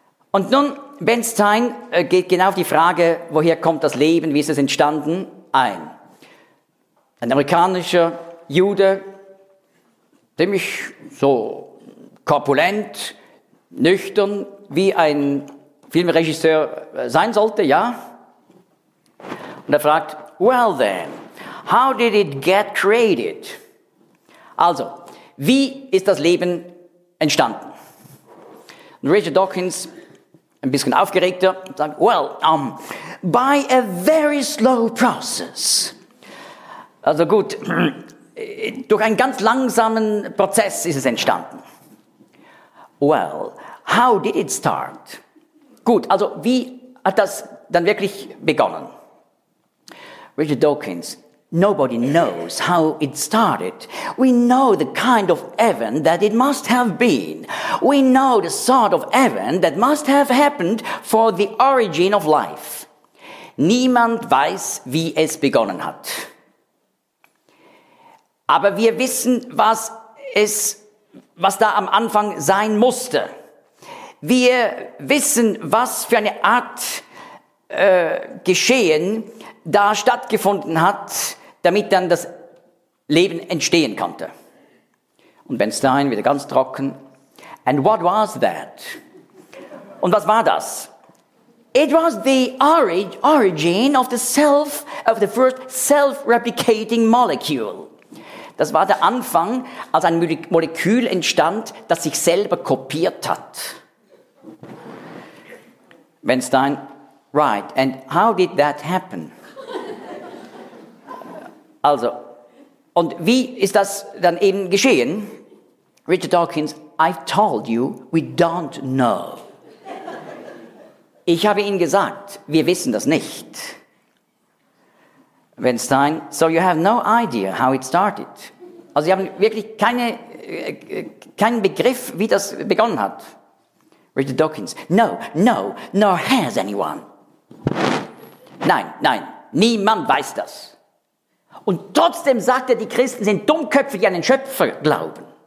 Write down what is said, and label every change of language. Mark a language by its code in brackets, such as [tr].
[de] Und nun, Ben Stein geht genau auf die Frage, woher kommt das Leben, wie ist es entstanden, ein. Ein amerikanischer Jude, ziemlich so korpulent, nüchtern, wie ein Filmregisseur sein sollte, ja. Und er fragt, [en] well then, how did it get created? [de] Also, wie ist das Leben entstanden? Und Richard Dawkins, ein bisschen aufgeregter, sagt, [en] well, by a very slow process. [de] Also gut, durch einen ganz langsamen Prozess ist es entstanden. [en] Well, how did it start? [de] Gut, also wie hat das dann wirklich begonnen? [en] Richard Dawkins, nobody knows how it started. We know the kind of heaven that it must have been. We know the sort of heaven that must have happened for the origin of life. [de] Niemand weiß, wie es begonnen hat. Aber wir wissen, was da am Anfang sein musste. Wir wissen, was für eine Art Geschehen da stattgefunden hat, damit dann das Leben entstehen konnte. Und Ben Stein wieder ganz trocken. [en] And what was that? [de] Und was war das? [en] It was the origin of the self, of the first self-replicating molecule. [de] Das war der Anfang, als ein Molekül entstand, das sich selber kopiert hat. [en] Ben Stein, right, and how did that happen? [de] Also, und wie ist das dann eben geschehen? [en] Richard Dawkins, I've told you, we don't know. [de] Ich habe Ihnen gesagt, wir wissen das nicht. [en] Ben Stein, so you have no idea how it started. [de] Also sie haben wirklich keinen Begriff, wie das begonnen hat. Richard Dawkins. [en] No, no, nor has anyone. [de] Nein, nein, niemand weiß das. Und trotzdem sagt er, die Christen sind Dummköpfe, die an den Schöpfer glauben.